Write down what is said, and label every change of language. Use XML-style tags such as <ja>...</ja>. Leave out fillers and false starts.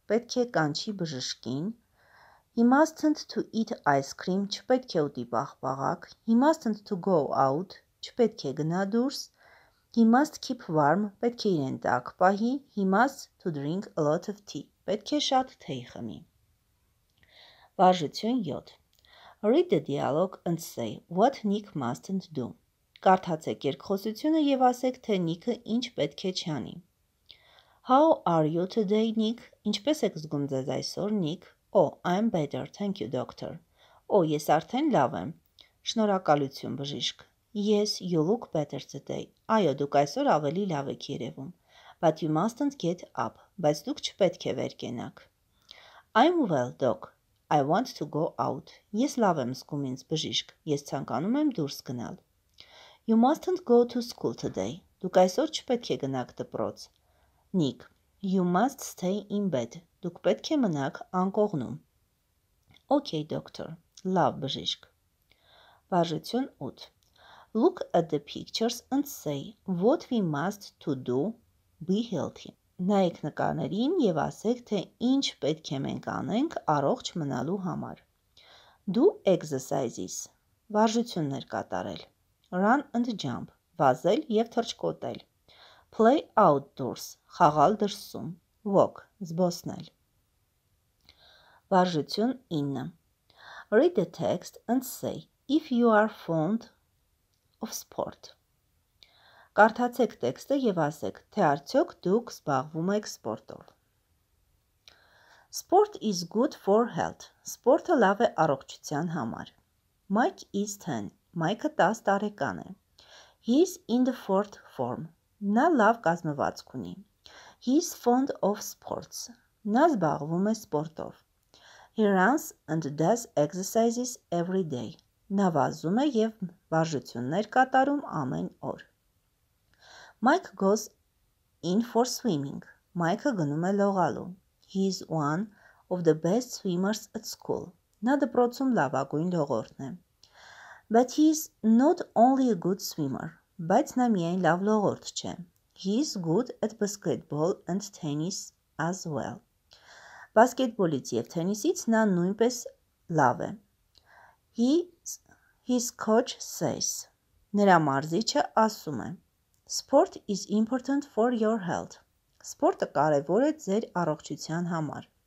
<hy>Պետք է կանչի բժշկին։</hy> <en>He mustn't to eat ice cream.</en> <hy>Չպետք է ուտի պաղպաղակ։</hy> <en>He mustn't to go out.</en> <hy>Չպետք է գնա դուրս։</hy> <en>He must keep warm.</en> <hy>Պետք է իրեն տաք պահի։</hy> <en>He must to drink a lot of tea.</en> <hy>Պետք է շատ թեյ խմի։ Վարժություն 7.</hy> <en>Read the dialogue and say what Nick mustn't do.</en> <hy>Կարդացեք երկխոսությունը և ասեք, թե Նիկը ինչ պետք է չանի։</hy> <en>How are you today, Nick?</en> <hy>Ինչպես եք զգում ձեզ այսօր, Nick?</hy> <en>Oh, I'm better, thank you, doctor.</en> <hy>Oh, ես արդեն լավ եմ. Շնորհակալություն, բժիշկ.</hy> <en>Yes, you look better today.</en> <hy>Այո, դուք այսօր ավելի լավ եք երևում.</hy> <en>But you mustn't get up.</en> <hy>Բայց դուք չպետք է վերկենաք.</hy> <en>I'm well, doc. I want to go out.</en> <hy>Ես լավ եմ զգում ինձ, բժիշկ. Ես ցանկանում եմ դուրս գնալ.</hy> <en>You mustn't go to school today.</en> <hy>Դուք այսօր չպետք է գնաք դպրոց.</hy> <en>Nick, you must stay in bed.</en> <hy>Դուք պետք է մնաք անկողնում.</hy> <en>Okay, doctor.</en> <hy>Լավ, բժիշկ. Վարժություն 8.</hy> <en>Look at the pictures and say what we must to do be healthy.</en> <hy>Նայեք նկարներին և ասեք, թե ինչ պետք է մենք անենք առողջ մնալու համար.</hy> <en>Do exercises.</en> <hy>վարժություններ կատարել,</hy> <en>run and jump,</en> <hy>վազել և թռչկոտել,</hy> <en>play outdoors,</en> <hy>խաղալ դրսում,</hy> <en>walk,</en> <hy>զբոսնել. Վարժություն 9.</hy> <en>Read the text and say if you are fond of sport.</en> <hy>Կարդացեք տեքստը և ասեք, թե արդյոք դուք զբաղվում եք սպորտով.</hy> <en>Sport is good for health.</en> <hy>Սպորտը լավ է առողջության համար.</hy> <en>Mike is 10.</en> <hy>Mike-ը 10 տարեկան է.</hy> <en>He's in the fourth form.</en> <hy>Նա լավ կազմվածք ունի.</hy> <en>He's fond of sports.</en> <hy>Նա զբաղվում է սպորտով.</hy> <en>He runs and does exercises every day.</en> <hy>Նա վազում է և վարժություններ կատարում ամեն օր.</hy> <en>Mike goes in for swimming.</en> <hy>Mike-ը գնում է լողալու.</hy> <en>He is one of the best swimmers at school.</en> <hy>Նա դպրոցում լավագույն լողորդն է.</hy> <en>But he is not only a good swimmer.</en> <hy>Բայց նա միայն լավ լողորդ չէ.</hy> <en>He is good at basketball and tennis as well.</en> <hy>Բասկետբոլից և թենիսից նա նույնպես լավ է.</hy> <en>His coach says.</en> <hy>Նրա մարզիչը ասում է.</hy> <en>Sport is important for your health.</en> <hy>Սպորտը կարևոր է ձեր առողջության համար.</hy>